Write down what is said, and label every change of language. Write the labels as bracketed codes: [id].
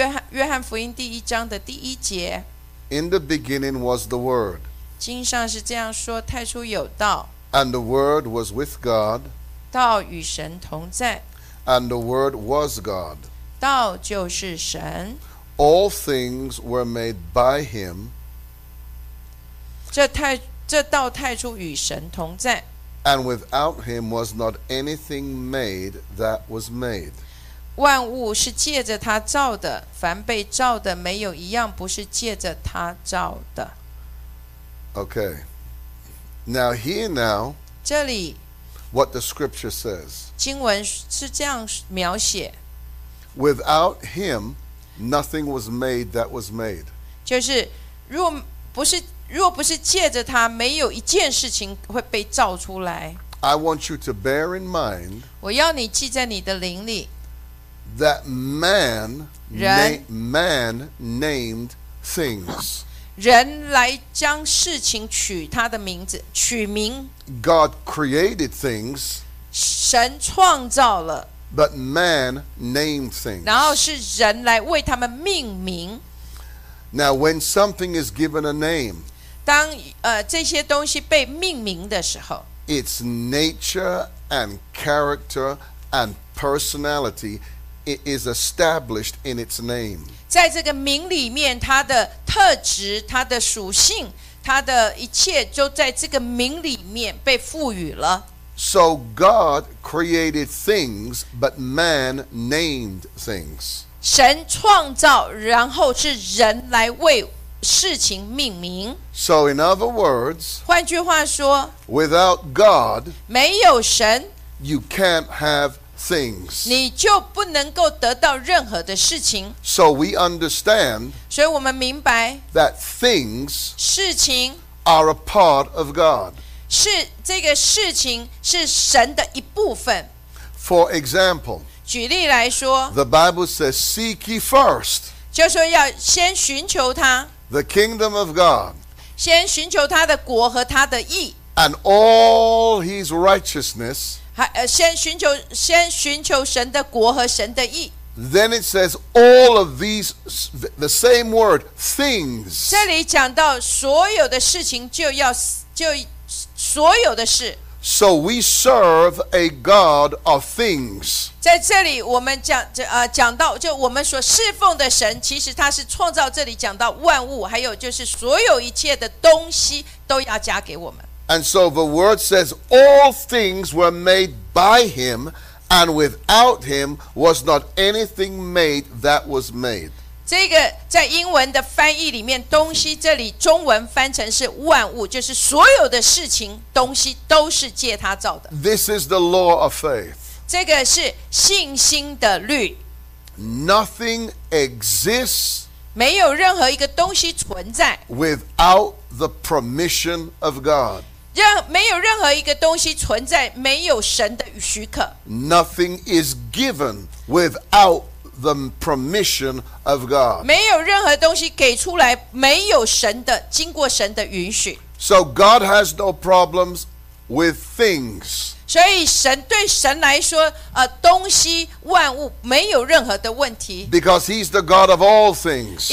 [zh] 约翰福音第一章的第一节。 [en] In the beginning was the Word. [zh] 经上是这样说，太初有道。 [en] And the Word was with God. [zh] 道与神同在。 [en] And the Word was God. [zh] 道就是神。 [en] All things were made by Him. [zh] 这道太初与神同在。 [en] And without Him was not anything made that was made. [zh] 万物是借着他造的，凡被造的没有一样不是借着他造的。 [en] Okay. Now here now. [zh] 这里。 [en] What the scripture says. [zh] 经文是这样描写。 [en] Without him, nothing was made that was made. [zh] 就是若不是借着他，没有一件事情会被造出来。 [en] I want you to bear in mind. [zh] 我要你记在你的灵里。 [en] That man named things. [zh] 人来将事情取他的名字，取名。 [en] God created things. [zh] 神创造了。 [en] But man named things. [zh] 然后是人来为他们命名。 [en] Now when something is given a name. [zh] 当这些东西被命名的时候。 [en] Its nature and character and personality. It is established in its name. [zh] 在这个名里面，它的特质、它的属性、它的一切，就在这个名里面被赋予了。 [en] So God created things, but man named things. [zh] 神创造，然后是人来为事情命名。 [en] So in other words, [zh] 换句话说 [en] ，without God, [zh] 没有神 [en] ，you can't have. Things. [zh] 你就不能够得到任何的事情。 [en] So we understand. [zh] 所以我们明白。 [en] That things. [zh] 事情。 [en] Are a part of God. [zh] 是这个事情是神的一部分。 [en] For example. [zh] 举例来说。 [en] The Bible says, "Seek ye first." [zh] 就说要先寻求他。 [en] The kingdom of God. [zh] 先寻求他的国和他的义。 [en] And all His righteousness. [zh] 先寻求神的国和神的义。 [en] Then it says all of these, the same word, things. [zh] 这里讲到所有的事情就要就所有的事。 [en] So we serve a God of things. [zh] 在这里我们 讲到就我们所侍奉的神其实他是创造这里讲到万物还有就是所有一切的东西都要加给我们。 [en] And so the word says all things were made by him and without him was not anything made that was made. [zh] 这个在英文的翻译里面东西这里中文翻成是万物就是所有的事情东西都是借他造的。 [en] This is the law of faith. [zh] 这个是信心的律。 [en] Nothing exists [zh] 没有任何一个东西存在 [en] without the permission of God. [zh] 没有任何一个东西存在没有神的许可 [en] Nothing is given without the permission of God [zh] 没有任何东西给出来没有神的经过神的允许 [en] So God has no problems with things [zh] 所以神对神来说东西万物没有任何的问题 [en] Because he's the God of all things